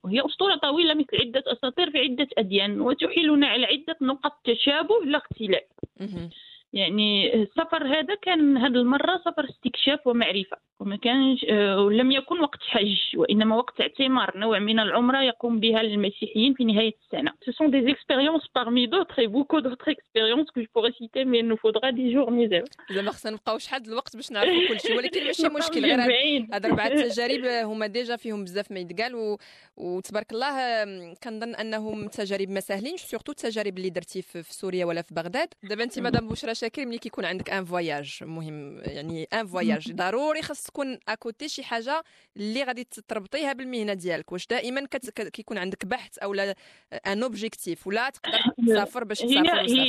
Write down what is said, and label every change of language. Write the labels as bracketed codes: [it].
[ar] وهي أسطورة طويلة مثل عدة أساطير في عدة أديان، وتحيلنا على عدة نقاط تشابه لا اختلاف. يعني السفر هذا كان هذه المرة سفر استكشاف ومعرفة، وما كانش ولم يكن وقت حج وإنما وقت اعتمار، نوع من العمرة يقوم بها المسيحيين في نهاية السنة. [fr] Ce sont des expériences parmi d'autres et beaucoup d'autres expériences que je pourrais citer mais il nous faudra des journées. [ar] زعما خصنا نبقاو شحال الوقت باش نعرفوا كل شيء، ولكن ماشي مشكل. غير هذه اربعه تجارب هما ديجا فيهم بزاف ما يتقال، وتبارك الله كنظن انهم تجارب ما ساهلينش، سورتو التجارب اللي درتي في سوريا ولا في بغداد. دابا انت مدام بشرى شاكر، ملي كيكون عندك ان فواياج مهم يعني ان فواياج ضروري تكون اكوتي شي حاجه اللي غادي تربطيها بالمهنه ديالك، واش دائما كيكون عندك بحث اولا ان اوبجيكتيف ولا تقدر تسافر باش تسافر؟